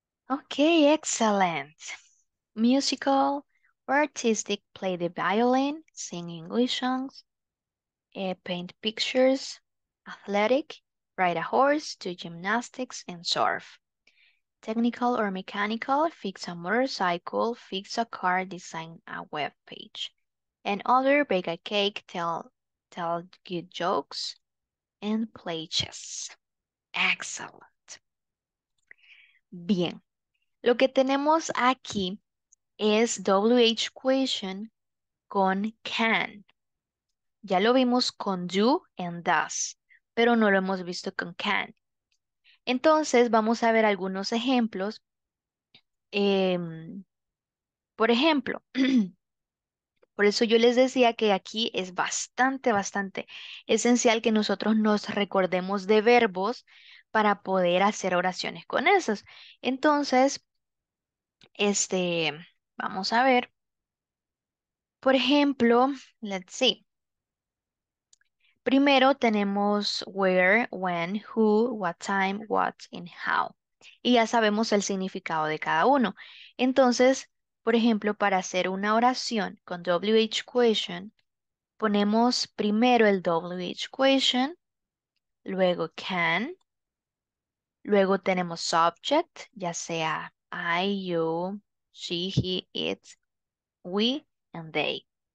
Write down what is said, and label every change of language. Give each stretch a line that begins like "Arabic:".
English: Okay, excellent. Musical or artistic, play the violin, sing English songs, paint pictures, athletic, ride a horse, do gymnastics, and surf. Technical or mechanical, fix a motorcycle, fix a car, design a web page. And other, bake a cake, tell good jokes, and play chess. Excellent. Bien.
Spanish: Lo que tenemos aquí es WH question con can. Ya lo vimos con do and does, pero no lo hemos visto con can. Entonces, vamos a ver algunos ejemplos. Por ejemplo, por eso yo les decía que aquí es bastante, bastante esencial que nosotros nos recordemos de verbos para poder hacer oraciones con esos. Entonces, vamos a ver. Por ejemplo,
English: let's see.
Spanish: Primero tenemos where, when, who, what time, what, and how. Y ya sabemos el significado de cada uno. Entonces, por ejemplo, para hacer una oración con WH question, Ponemos primero el WH question, luego can, luego tenemos subject, ya sea I, you, she, he, it, we, and they.